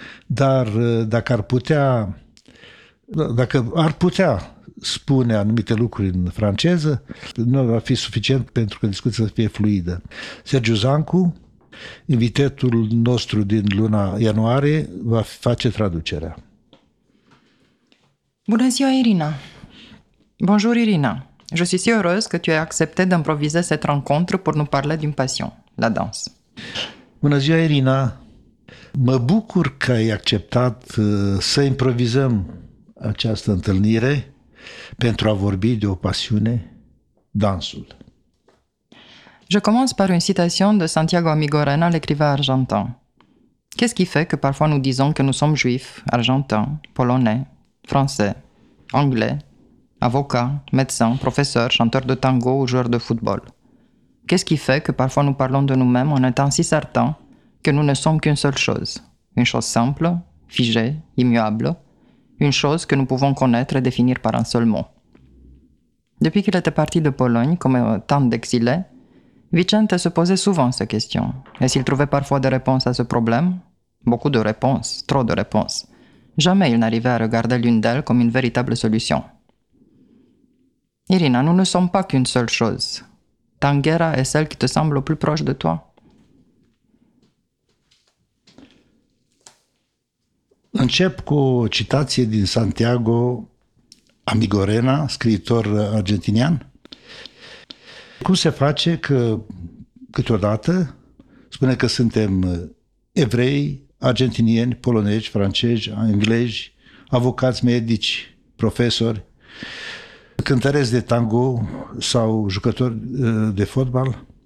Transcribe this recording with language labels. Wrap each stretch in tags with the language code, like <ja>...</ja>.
<ro>Dar dacă ar putea, dacă ar putea spune anumite lucruri în franceză, nu ar fi suficient pentru că discuția să fie fluidă. Sergiu Zancu, invitatul nostru din luna ianuarie, va face traducerea. Bună ziua, Irina!</ro> <fr>Bonjour, Irina! Je suis si heureuse que tu aies accepté d'improviser cette rencontre pour nous parler d'une passion, la danse.</fr> <ro>Bună ziua, Irina! Mă bucur că ai acceptat să improvizăm această întâlnire pentru a vorbi de o pasiune, dansul.</ro> <fr>Je commence par une citation de Santiago Amigorena, l'écrivain argentin. Qu'est-ce qui fait que parfois nous disons que nous sommes juifs, argentins, polonais, français, anglais, avocats, médecins, professeurs, chanteurs de tango ou joueurs de football? Qu'est-ce qui fait que parfois nous parlons de nous-mêmes en étant si certains que nous ne sommes qu'une seule chose, une chose simple, figée, immuable, une chose que nous pouvons connaître et définir par un seul mot? Depuis qu'il était parti de Pologne, comme tant d'exilés, Vicente se posait souvent ces questions. Et s'il trouvait parfois des réponses à ce problème, beaucoup de réponses, trop de réponses, jamais il n'arrivait à regarder l'une d'elles comme une véritable solution. Irina, nous ne sommes pas qu'une seule chose. Tanguera est celle qui te semble le plus proche de toi.</fr> <ro>Încep cu o citație din Santiago Amigorena, scriitor argentinian. Cum se face că câteodată spune că suntem evrei, argentinieni, polonezi, francezi, englezi, avocați, medici, profesori, cântăreți de tango sau jucători de fotbal?</ro>